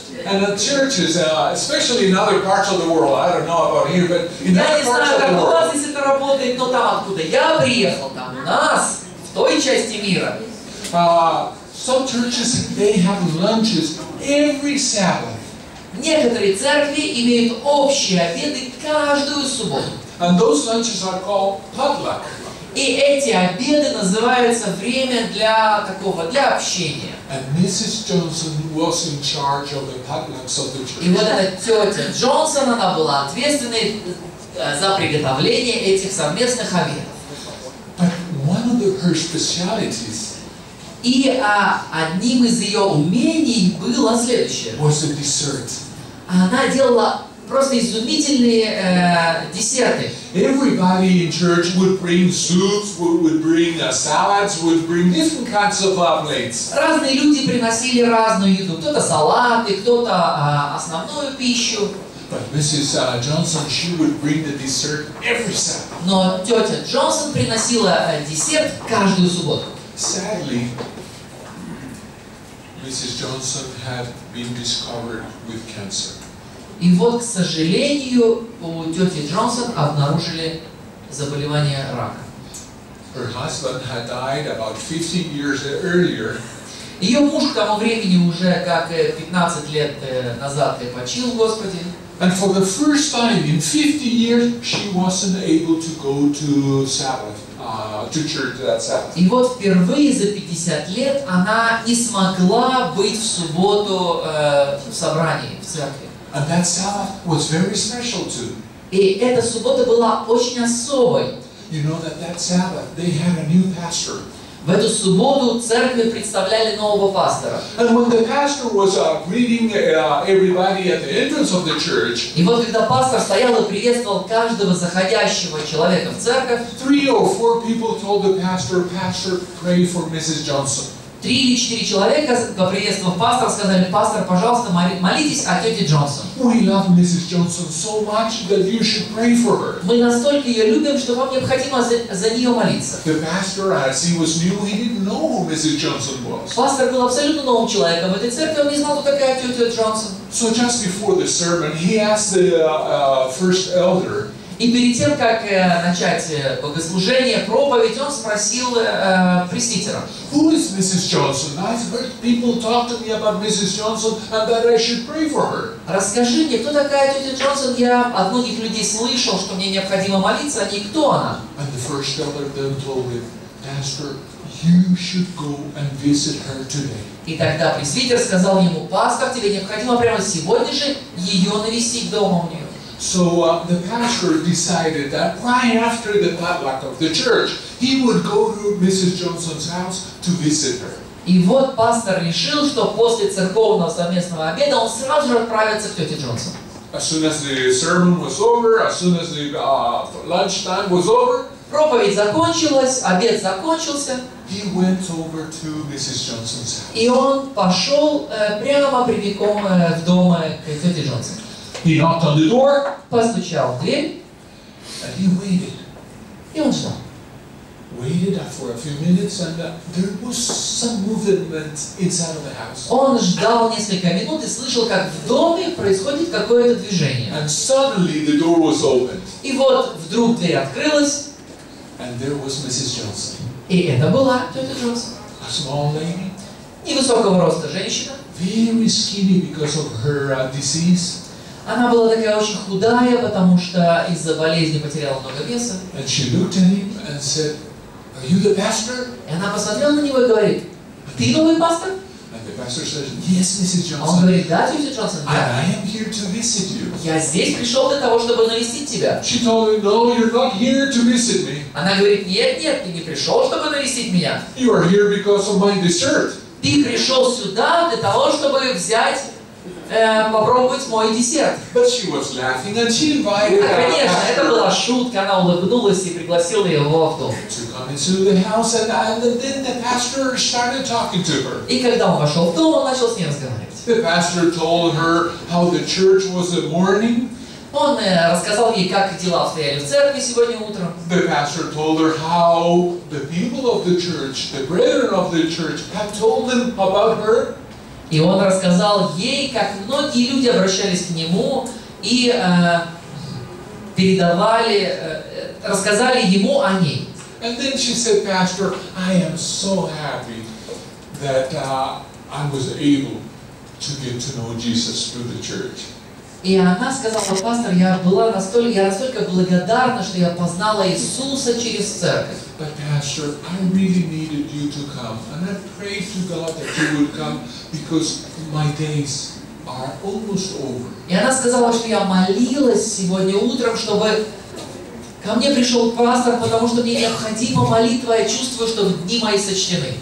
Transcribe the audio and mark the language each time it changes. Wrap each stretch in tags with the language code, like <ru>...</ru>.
<en>And the churches, especially in other parts of the world, I don't know about here, but in other parts of the world.</en> <ru>Я не знаю, как у вас здесь это работает, но там, откуда я приехал, там у нас, в той части мира.</ru> <en>Some churches, they have lunches every Sabbath.</en> <ru>Некоторые церкви имеют общие обеды каждую субботу.</ru> <en>And those lunches are called potluck.</en> <ru>И эти обеды называются время для такого, для общения.</ru> <en>And Mrs. Johnson was in charge of the potlucks of the church.</en> <ru>И вот эта тетя Джонсон, она была ответственной за приготовление этих совместных обедов.</ru> <en>But one of her specialties.</en> <ru>И одним из ее умений было следующее.</ru> <en>Was a dessert.</en> <ru>Она делала просто изумительные десерты.</ru> <en>Everybody in church would bring soups, would bring salads, would bring different kinds of plates.</en> <ru>Разные люди приносили разную еду. Кто-то салаты, кто-то основную пищу.</ru> <en>But Mrs. Johnson, she would bring the dessert every Sabbath.</en> <ru>Но тетя Джонсон приносила десерт каждую субботу.</ru> <en>Sadly, Mrs. Johnson had been discovered with cancer.</en> <ru>И вот, к сожалению, у тети Джонсон обнаружили заболевание рака.</ru> <en>Her husband had died about 15 years earlier.</en> <ru>Ее муж к тому времени уже, как 15 лет назад, почил в Господе.</ru> <en>And for the first time in 50 years, she wasn't able to go to Sabbath, to church that Sabbath.</en> <ru>И вот впервые за 50 лет она не смогла быть в субботу в собрании, в церкви.</ru> <en>And that Sabbath was very special too.</en> <ru>И эта суббота была очень особой.</ru> <en>You know that that Sabbath, they had a new pastor.</en> <ru>В эту субботу церкви представляли нового пастора.</ru> <en>And when the pastor was greeting everybody at the entrance of the church,</en> <ru>и вот когда пастор стоял и приветствовал каждого заходящего человека в церковь,</ru> <en>three or four people told the pastor, "Pastor, pray for Mrs. Johnson."</en> <ru>Три или четыре человека поприветствовав пастора сказали: "Пастор, пожалуйста, молитесь о тете Джонсон."</ru> <en>We love Mrs. Johnson so much that you should pray for her.</en> <ru>Мы настолько ее любим, что вам необходимо за нее молиться.</ru> <en>The pastor, as he was new, he didn't know who Mrs. Johnson was.</en> <ru>Пастор был абсолютно новым человеком в этой церкви, он не знал, кто такая тетя Джонсон.</ru> <en>So just before the sermon, he asked the first elder.</en> <ru>И перед тем, как начать богослужение, проповедь, он спросил пресвитера.</ru> <en>Who is Mrs. Johnson? I've heard people talk to me about Mrs. Johnson and that I should pray for her.</en> <ru>Расскажи мне, кто такая тетя Джонсон? Я от многих людей слышал, что мне необходимо молиться, а не кто она?</ru> <en>And the first elder then told him, Pastor, you should go and visit her today.</en> <ru>И тогда пресвитер сказал ему, пастор, тебе необходимо прямо сегодня же ее навестить дома у нее.</ru> <en>So the pastor decided that right after the potluck of the church, he would go to Mrs. Johnson's house to visit her.</en> <ru>И вот пастор решил, что после церковного совместного обеда он сразу же отправится к тете Джонсон.</ru> <en>As soon as the sermon was over, as soon as the lunch time was over,</en> <ru>проповедь закончилась, обед закончился.</ru> <en>He went over to Mrs. Johnson's house.</en> <ru>И он пошел прямо прямиком в дом к тете Джонсон.</ru> <en>He knocked on the door.</en> <ru>Постучал в дверь.</ru> <en>And he waited.</en> <ru>И он ждал.</ru> <en>Waited for a few minutes, and there was some movement inside of the house.</en> <ru>Он ждал несколько минут и слышал, как в доме происходит какое-то движение.</ru> <en>And suddenly the door was opened.</en> <ru>И вот вдруг дверь открылась.</ru> <en>And there was Mrs. Johnson.</en> <ru>И это была тетя Джонсон.</ru> <en>A small lady.</en> <ru>Невысокого роста женщина.</ru> <en>Very skinny because of her disease.</en> <ru>Она была такая очень худая, потому что из-за болезни потеряла много веса.</ru> <en>And she looked at him and said, "Are you the pastor?"</en> <ru>И она посмотрела на него и говорит, "Ты новый пастор?"</ru> <en>And the pastor says, "Yes, Mrs. Johnson."</en> <ru>Он говорит, "Да, тетя Джонсон, да."</ru> <en>"I am here to visit you."</en> <ru>Я здесь пришел для того, чтобы навестить тебя.</ru> <en>She told him, "No, you're not here to visit me."</en> <ru>Она говорит, "Нет, нет, ты не пришел, чтобы навестить меня."</ru> <en>"You are here because of my dessert."</en> <ru>Ты пришел сюда для того, чтобы взять попробовать мой десерт.</ru> <en>But she was laughing and she invited her.</en> <ru>Конечно, это была шутка. Она улыбнулась и пригласила его в дом.</ru> <en>To come into the house and then the pastor started talking to her.</en> <ru>И когда он вошел в дом, он начал с ней разговаривать.</ru> <en>The pastor told her how the church was a mourning.</en> <ru>Он рассказал ей, как дела стояли в церкви сегодня утром.</ru> <en>The pastor told her how the people of the church, the brethren of the church, had told them about her.</en> <ru>И он рассказал ей, как многие люди обращались к нему и передавали, рассказали ему о ней.</ru> <en>And then she said, "Pastor, I am so happy that I was able to get to know Jesus through the church."</en> <ru>И она сказала: "Пастор, я настолько благодарна, что я познала Иисуса через церковь."</ru> <en>But Pastor, I really needed you to come, and I prayed to God that you would come because my days are almost over.</en> <ru>И она сказала, что я молилась сегодня утром, чтобы ко мне пришел пастор, потому что мне необходима молитва, я чувствую, что дни мои сочтены.</ru>